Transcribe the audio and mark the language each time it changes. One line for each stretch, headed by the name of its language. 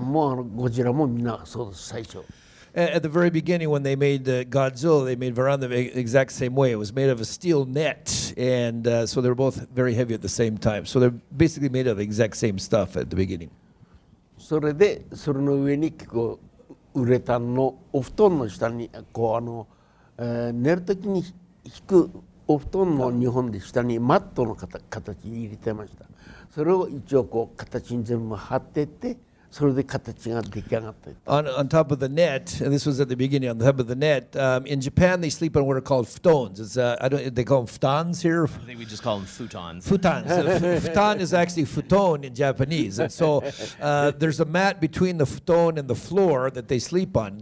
Japanese: 原型はなしで、鉄の網ですね、ネット、スチールネットでもって全部作ってたんです。バランもですね。バランもゴジラもみんなそうです、最初。
English: At the very beginning, when they made Godzilla, they made Varan the exact same way. It was made of a steel net, and so they were both very heavy at the same time. So they're basically made of the exact same stuff at the beginning.
Japanese: それで、その上に結構ウレタンのお布団の下に、こうあの、 寝るときに敷くお布団の日本で下にマットの形に入れてました。それを一応こう形に全部貼ってって、それで形が出来上がった。On
English: top of the net, and this was at the beginning. On top of the net, in Japan they sleep on what are called futons. It's they call them futons here. I think we just call them futons. Futons. Futon is actually futon in Japanese, and so there's a mat between the futon and the floor that they sleep on.